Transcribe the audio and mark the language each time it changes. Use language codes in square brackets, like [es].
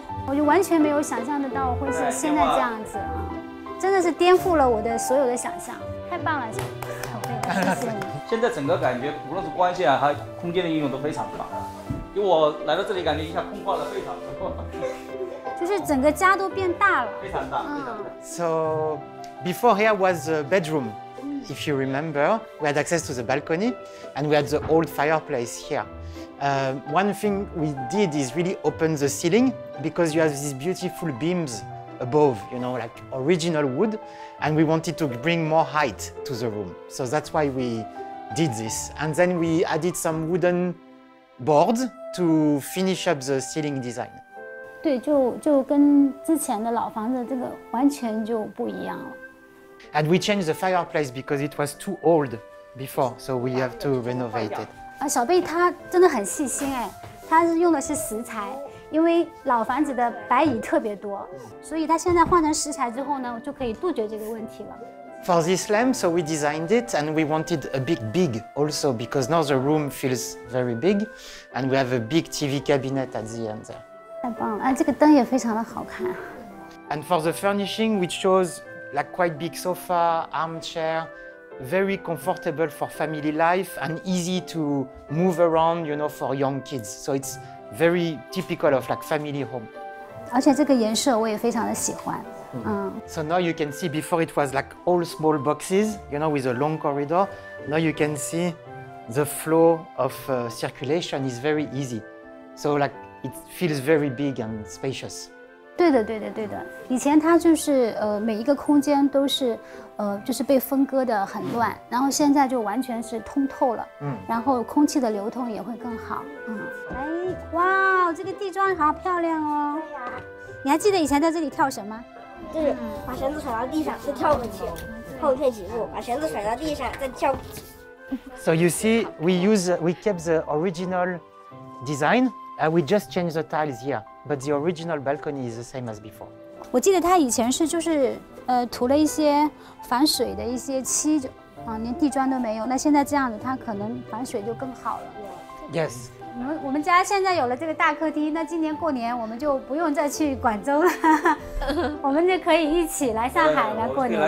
[zh] 我就完全没有想象得到会是现在这样子啊，真的是颠覆了我的所有的想象，太棒了，小贝，谢谢你。现在整个感觉，无论是光线啊，还有空间的应用都非常棒，因为我来到这里感觉一下空旷了非常多，就是整个家都变大了，非常大。 [en] So before here was the bedroom, if you remember, we had access to the balcony, and we had the old fireplace here. One thing we did is really open the ceiling because you have these beautiful beams above, you know, like original wood, and we wanted to bring more height to the room. So that's why we did this. And then we added some wooden boards to finish up the ceiling design. [zh] 对，就跟之前的老房子这个完全就不一样了。 [en] And we changed the fireplace because it was too old before, so we have to renovate it. [zh] 啊，小贝他真的很细心哎，他是用的是石材，因为老房子的白蚁特别多，所以他现在换成石材之后呢，就可以杜绝这个问题了。 [en] For this lamp, so we designed it, and we wanted a big also because now the room feels very big, and we have a big TV cabinet at the end there. [zh] 太棒了，啊，这个灯也非常的好看。 [en] And for the furnishing, we chose like quite big sofa, armchair. Very comfortable for family life and easy to move around, you know, for young kids. So it's very typical of like family home. [zh] 而且这个颜色我也非常的喜欢。嗯。 [en] So now you can see before it was like all small boxes, you know, with a long corridor. Now you can see the flow of circulation is very easy. So like it feels very big and spacious. 对的，对的，对的。 [zh] 以前它就是每一个空间都是就是被分割的很乱，然后现在就完全是通透了。嗯，然后空气的流通也会更好。嗯，哎，哇，这个地砖好漂亮哦。对呀，你还记得以前在这里跳绳吗？就是把绳子甩到地上，再跳过去，后退几步，把绳子甩到地上，再跳过去。 [en] So you see, we kept the original design. We just changed the tiles here, but the original balcony is the same as before. [zh] 我记得它以前是就是涂了一些防水的一些漆，啊，连地砖都没有。那现在这样子，它可能防水就更好了。 [en] Yes. [zh] 我们家现在有了这个大客厅，那今年过年我们就不用再去广州了，我们就可以一起来上海来过年了。